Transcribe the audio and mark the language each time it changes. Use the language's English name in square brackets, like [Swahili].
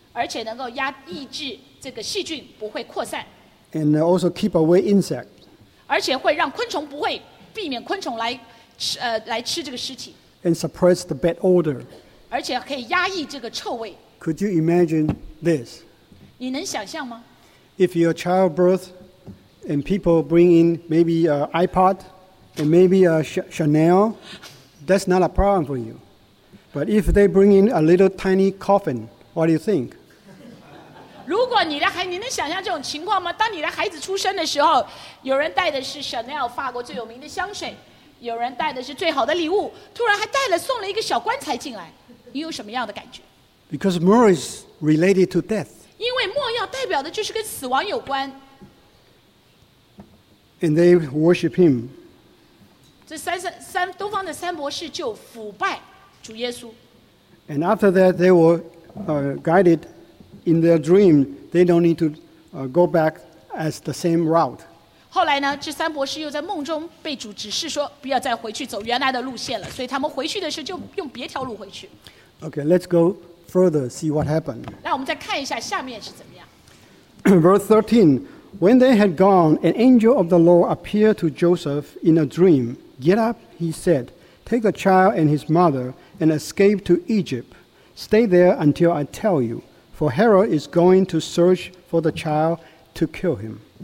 [Chinese] 而且能够抑制这个细菌不会扩散。 [English] And also keep away insect. [Chinese] 而且会让昆虫不会避免昆虫来吃这个尸体。 [English] And suppress the bad odor. [Chinese] 而且可以压抑这个臭味。 [English] Could you imagine this? [Chinese] 你能想象吗？ [English] If your child birth and people bring in maybe an iPod and maybe a Chanel, that's not a problem for you. But if they bring in a little tiny coffin, what do you think? [Chinese] 如果你的孩子，你能想象这种情况吗？当你的孩子出生的时候，有人带的是 Chanel 法国最有名的香水，有人带的是最好的礼物，突然还带了送了一个小棺材进来，你有什么样的感觉？ [English] Because myrrh is related to death. [Chinese] 因为没药代表的就是跟死亡有关。 [English] And they worship him. [Chinese] 这三东方的三博士就腐败主耶稣。 [English] And after that, they were guided in their dream. They don't need to go back as the same route. [Chinese] 后来呢，这三博士又在梦中被主指示说，不要再回去走原来的路线了。所以他们回去的时候就用别条路回去。 [English] Okay, let's go further, see what happened. [Chinese] 那我们再看一下下面是怎么样。 [English] Verse 13, when they had gone, an angel of the Lord appeared to Joseph in a dream. Get up, he said, take the child and his mother and escape to Egypt. Stay there until I tell you, for Herod is going to search for the child to kill him.